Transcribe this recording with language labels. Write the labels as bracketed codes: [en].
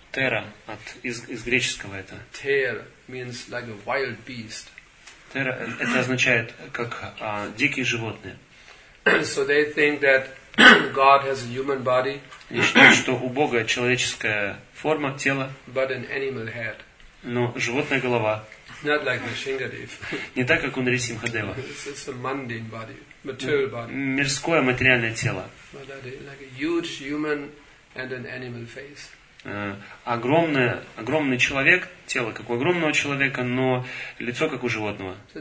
[ru] Тера от из греческого это. [en] Ter means like a wild beast. [ru] Это означает как дикие животные. [en] So they think that God has a human body. [ru] Они считают, что у Бога человеческая форма тела. [en] But an animal head. [ru] Но животная голова. [en] Not like Нарсингхадев. [ru] Не так, как у Нарсингхадева. [en] It's a mundane body, material body. [ru] Мирское материальное тело. [en] Like a huge human and an animal face. [ru] Огромный человек, тело как у огромного человека, но лицо как у животного.